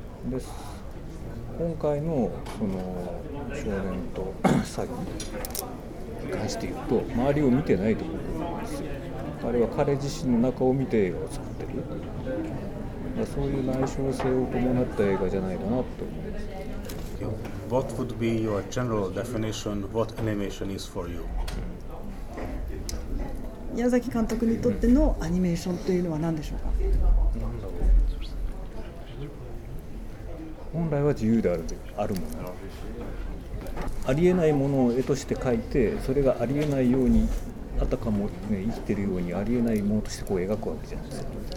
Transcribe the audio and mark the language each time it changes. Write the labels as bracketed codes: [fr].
[ja] で今回のその少年と詐欺に関して言うと、周りを見てないと思うんですよ。あれは彼自身の中を見て映画を作ってる、まあ、そういう内省性を伴った映画じゃないかなと思います。 [en] What would be your general definition of what animation is for you? [ja] 宮崎監督にとってのアニメーションというのは何でしょうか。本来は自由であ あるもの、ありえないものを絵として描いて、それがありえないようにあたかも、ね、生きているようにありえないものとしてこう描くわけじゃないですか。